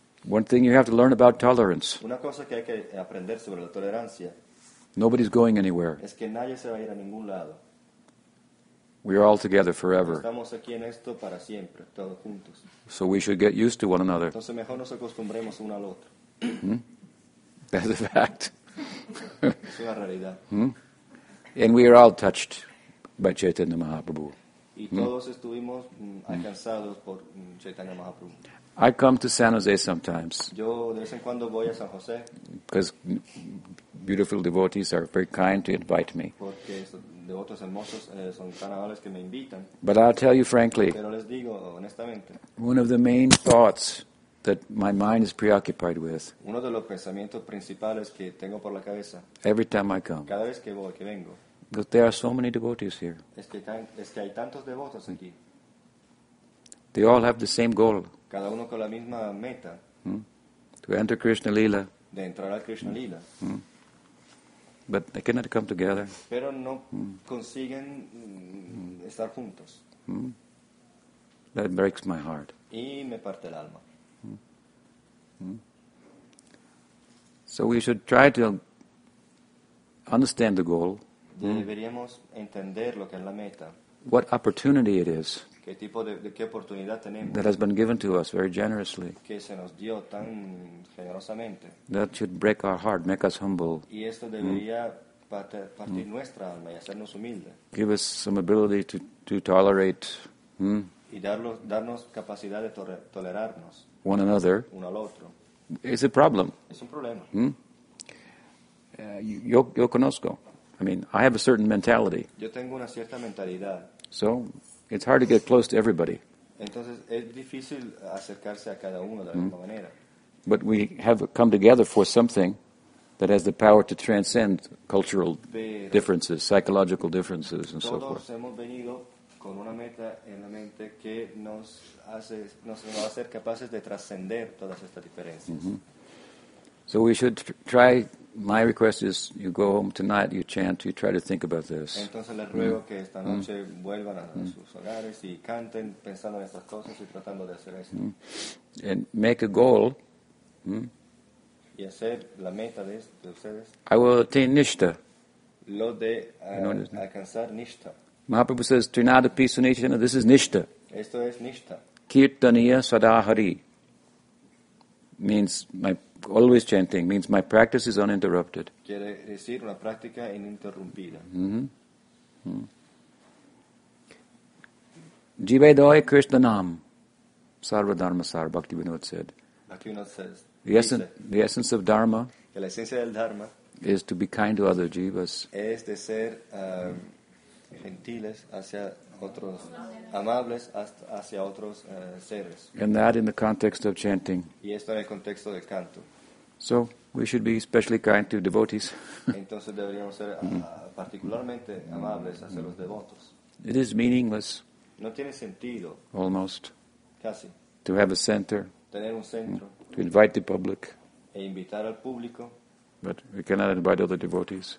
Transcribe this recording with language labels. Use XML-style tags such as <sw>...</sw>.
<en>One thing you have to learn about tolerance.</en> <es>Una cosa que hay que aprender sobre la tolerancia.</es> <en>Nobody's going anywhere.</en> <es>Es que nadie se va a ir a ningún lado.</es> <en>We are all together forever.</en> <es>Estamos aquí en esto para siempre, todos juntos.</es> <en>So we should get used to one another.</en> <es>Entonces mejor nos acostumbremos uno al otro.</es> <en>That's a fact.</en> <es>Es una realidad.</es> <en>And we are all touched by Chaitanya Mahaprabhu.</en> <es>Y todos estuvimos alcanzados por Chaitanya Mahaprabhu.</es> <en>I come to San Jose sometimes.</en> <es>Yo de vez en cuando voy a San José.</es> <en>Because beautiful devotees are very kind to invite me.</en> <es>Porque devotos hermosos son tan amables que me invitan.</es> <en>But I'll tell you frankly.</en> <es>Pero les digo honestamente.</es> <en>One of the main thoughts that my mind is preoccupied with.</en> <es>Uno de los pensamientos principales que tengo por la cabeza.</es> <en>Every time I come.</en> <es>Cada vez que voy, que vengo.</es> <en>That there are so many devotees here.</en> <es>Es que hay tantos devotos aquí.</es> <en>They all have the same goal.</en> <es>Cada uno con la misma meta.</es> <en>To enter Krishna Lila.</en> <es>De entrar a Krishna Lila.</es> <en>But they cannot come together.</en> <es>Pero no consiguen estar juntos.</es> <en>That breaks my heart.</en> <es>Y me parte el alma.</es> <en>So we should try to understand the goal.</en> <es>Deberíamos entender lo que es la meta.</es> <en>What opportunity it is.</en> <es>¿Qué tipo de qué oportunidad tenemos?</es> <en>That has been given to us very generously.</en> <es>Que se nos dio tan generosamente.</es> <en>That should break our heart, make us humble.</en> <es>Y esto debería partir nuestra alma y hacernos humilde.</es> <en>Give us some ability to tolerate.</en> <es>Y darnos capacidad de tolerarnos.</es> <en>One another.</en> <es>Uno al otro.</es> <en>It's a problem.</en> <es>Es un problema. Yo conozco.</es> <en>I mean, I have a certain mentality.</en> <es>Yo tengo una cierta mentalidad.</es> <en>So, it's hard to get close to everybody.</en> <es>Entonces, es difícil acercarse a cada uno de la misma manera.</es> <en>But we have come together for something that has the power to transcend cultural differences, psychological differences, and so forth.</en> <es>Todos hemos venido con una meta en la mente que nos va a hacer capaces de trascender todas estas diferencias.</es> <en>So we should try. My request is you go home tonight, you chant, you try to think about this.</en> <es>Entonces les ruego que esta noche vuelvan a sus hogares y canten pensando en estas cosas y tratando de hacer eso.</es> <en>And make a goal.</en> <es>Y hacer la meta de ustedes.</es> <en>I will attain nishtha.</en> <es>Lo de alcanzar nishtha.</es> <en>Mahaprabhu says, Trinada Pisunichana, this is nishtha.</en> <es>Esto es nishtha.</es> <en>Kirtaniya Sadahari. Means my always chanting means my practice is uninterrupted.</en> <es>Quiere decir una práctica ininterrumpida.</es> <en>Jivedoy Krishna Nam. Sarva Dharma Sar, Bhakti Vinod said. Bhaktivinoda says. The essence of dharma,</en> <es>que la esencia del dharma</es> <en>is to be kind to other jivas.</en> <es>Es de ser gentiles hacia otros, amables hacia otros seres.</es> <en>And that in the context of chanting.</en> <es>Y esto en el contexto del canto.</es> <en>So we should be especially kind to devotees.</en> <es>Entonces deberíamos ser particularmente amables hacia los devotos.</es> <en>It is meaningless.</en> <es>No tiene sentido.</es> <en>Almost.</en> <es>Casi.</es> <en>To have a center.</en> <es>Tener un centro.</es> <en>To invite the public.</en> <es>E invitar al público.</es> <en>But we cannot invite other devotees.</en>